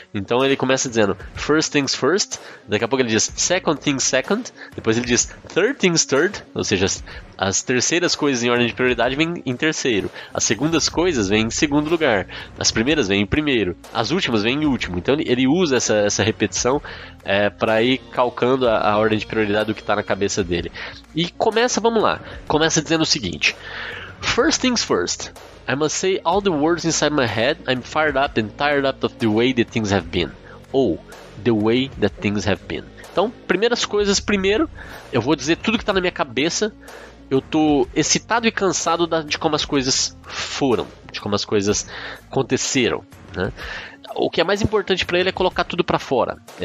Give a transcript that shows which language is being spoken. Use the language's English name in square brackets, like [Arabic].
[Portuguese] Então ele começa dizendo [English] first things first, [Portuguese] daqui a pouco ele diz [English] second things second, [Portuguese] depois ele diz [English] third things third, [Portuguese] ou seja, as terceiras coisas em ordem de prioridade vêm em terceiro, as segundas coisas vêm em segundo lugar, as primeiras vêm em primeiro, as últimas vêm em último. Então ele usa essa repetição para ir calcando a ordem de prioridade do que está na cabeça dele. E começa dizendo o seguinte: [English] first things first, I must say all the words inside my head, I'm fired up and tired up of the way that things have been. Oh, the way that things have been. [Portuguese] Então, primeiras coisas primeiro, eu vou dizer tudo que está na minha cabeça, eu tô excitado e cansado de como as coisas foram, de como as coisas aconteceram, né? O que é mais importante para ele é colocar tudo para fora.